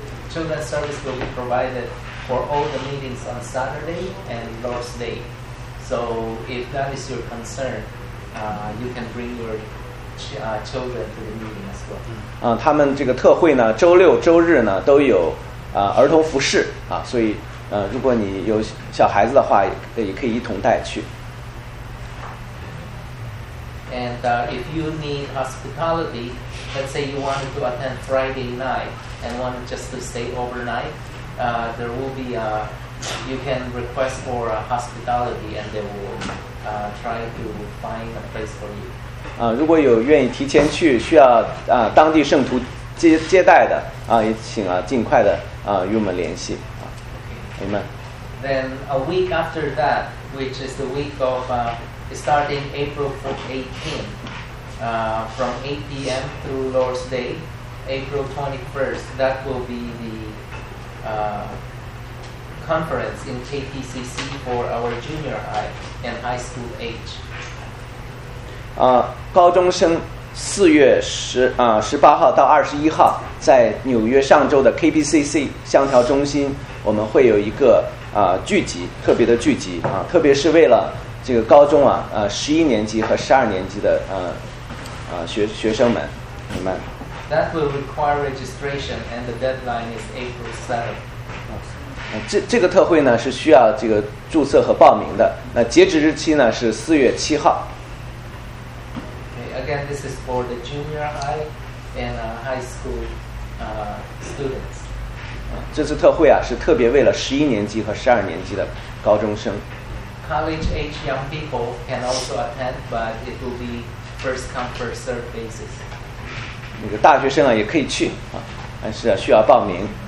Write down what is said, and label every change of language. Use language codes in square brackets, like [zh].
[en] Children's service will be provided for all the meetings on Saturday and Lord's Day. So if that is your concern, you can bring your children to the meeting as well. [zh] 他们这个特会呢，周六、周日呢都有儿童服事所以如果你有小孩子的话，也可以一同带去。 [en] And if you need hospitality, let's say you wanted to attend Friday night and want just to stay overnight, there will be you can request for hospitality and they will try to find a place for you. [zh] 如果有愿意提前去需要当地圣徒接待的也请尽快的与我们联系。 Okay. [en] Amen. Then a week after that, which is the week of starting April 18th, from 8 p.m. through Lord's Day, April 21st, that will be the conference in KPCC for our junior high and high school age. [zh] 高中生四月十啊十八号到二十一号，在纽约上周的 KPCC 香调中心，我们会有一个聚集，特别的聚集啊，特别是为了这个高中啊十一年级和十二年级的学生们，你们。 [en] That will require registration, and the deadline is April 7th. [zh] 这个特会呢是需要这个注册和报名的，那截止日期呢是四月七号。 [en] Again, this is for the junior high and high school students. [zh] 这次特会啊，是特别为了十一年级和十二年级的高中生。 [en] College age young people can also attend, but it will be first come, first serve basis. [zh] 那个大学生啊，也可以去啊，但是需要报名。